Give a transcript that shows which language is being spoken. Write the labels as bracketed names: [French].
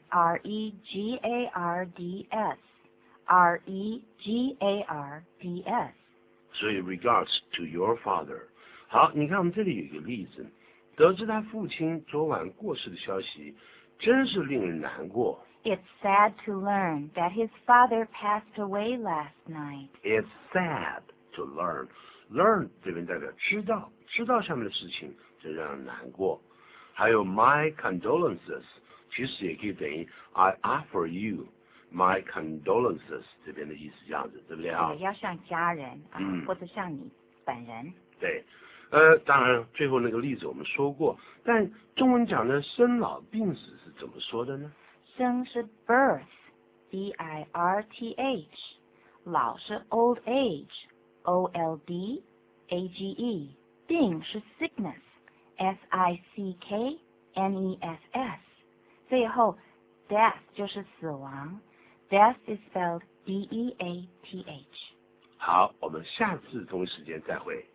[English] R-E-G-A-R-D-S R-E-G-A-R-D-S。所以 regards to your father。 [Chinese] 好，你看我们这里有一个例子，得知他父亲昨晚过世的消息真是令人难过。 [English] It's sad to learn that his father passed away last night. It's sad to learn. [Chinese] Learn 这边代表知道，知道下面的事情真让人难过。还有 my condolences， 其实也可以等于 [English] I offer you my condolences， [Chinese] 这边的意思这样子，对不对啊？要向家人、或者向你本人。对，当然最后那个例子我们说过，但中文讲的生老病死是怎么说的呢？生是 birth， B-I-R-T-H， 老是 old age， O-L-D-A-G-E， 病是 sickness。 [English] S-I-C-K-N-E-S-S 最后 death 就是死亡， death is spelled D-E-A-T-H。 [Chinese] 好，我们下次同一时间再会。